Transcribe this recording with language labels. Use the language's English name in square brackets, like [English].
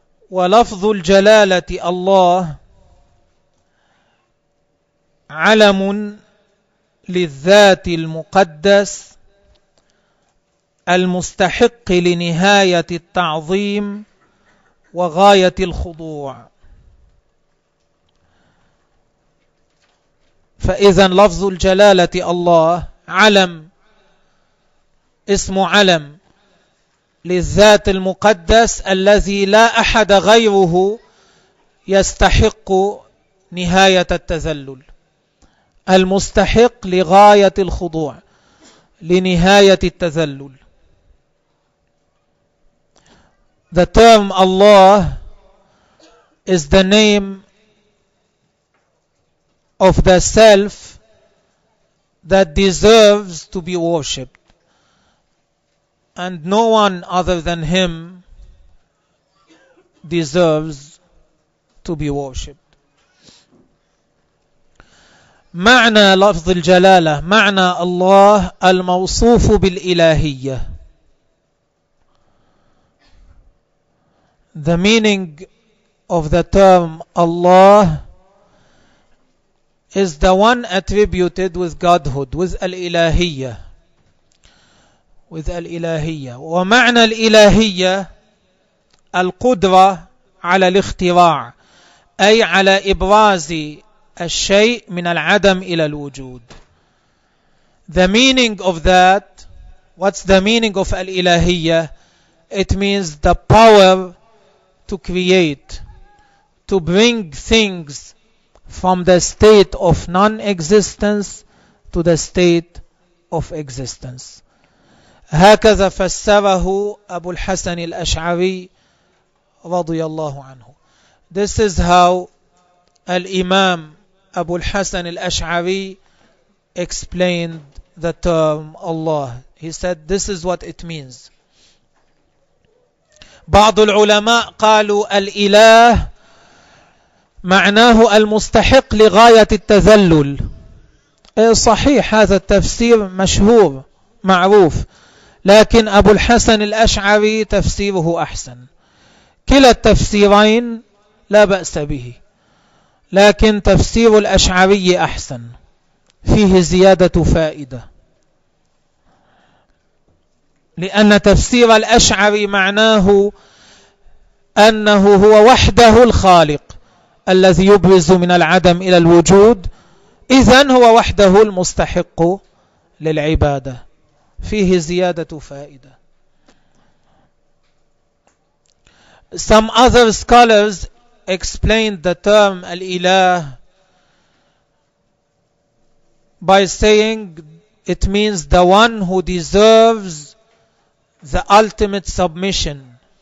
[Arabic] ولفظ الجلالة الله علم للذات المقدس المستحق لنهاية التعظيم وغاية الخضوع. فإذا لفظ الجلالة الله علم, اسم علم للذات المقدس الذي لا أحد غيره يستحق نهاية التذلل, المستحق لغاية الخضوع لنهاية التذلل. [English] The term Allah is the name of the self that deserves to be worshipped, and no one other than him deserves to be worshipped. [Arabic] معنى لفظ الجلالة, معنى الله الموصوف بالإلهية. [English] The meaning of the term Allah is the one attributed with Godhood, with Al-Ilahiyya, with Al-Ilahiyya. [Arabic] ومعنى الإلهية القدرة على الاختراع, أي على إبراز الشيء من العدم إلى الوجود. [English] The meaning of that, what's the meaning of Al-Ilahiyya? It means the power to create, to bring things from the state of non-existence to the state of existence. [Arabic] هكذا فسره أبو الحسن الأشعري رضي الله عنه. [English] This is how الإمام أبو الحسن الأشعري explained the term Allah. He said, this is what it means. [Arabic] بعض العلماء قالوا الإله معناه المستحق لغاية التذلل. صحيح هذا التفسير مشهور معروف، لكن أبو الحسن الأشعري تفسيره أحسن. كلا التفسيرين لا بأس به، لكن تفسير الأشعري أحسن، فيه زيادة فائدة، لأن تفسير الأشعري معناه أنه هو وحده الخالق الذي يبرز من العدم إلى الوجود، إذن هو وحده المستحق للعبادة، فيه زيادة فائدة. [English] Some other scholars explained the term الإله by saying it means the one who deserves the ultimate submission.